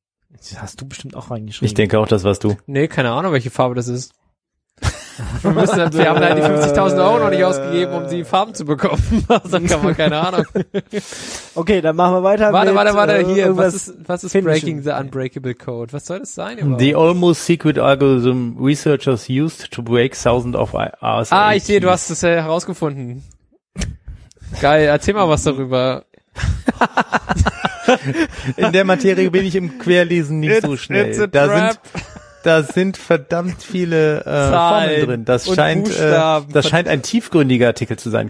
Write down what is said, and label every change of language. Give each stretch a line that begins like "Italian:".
German: Das hast du bestimmt auch reingeschrieben. Ich denke auch, das warst du. Nee, keine Ahnung, welche Farbe das ist. Wir haben leider die 50.000 Euro noch nicht ausgegeben, um die Farben zu bekommen. Dann kann man keine Ahnung. Okay, dann machen wir weiter. Warte, hier, was ist
English: Breaking the Unbreakable Code?
German: Was soll das sein? Überhaupt?
English: The almost secret algorithm researchers used to break thousands of hours.
German: Ah, ich sehe, du hast es herausgefunden. Geil, erzähl mal was darüber. In der Materie bin ich im Querlesen nicht so schnell. Da sind verdammt viele Formeln drin. Das scheint ein tiefgründiger Artikel zu sein.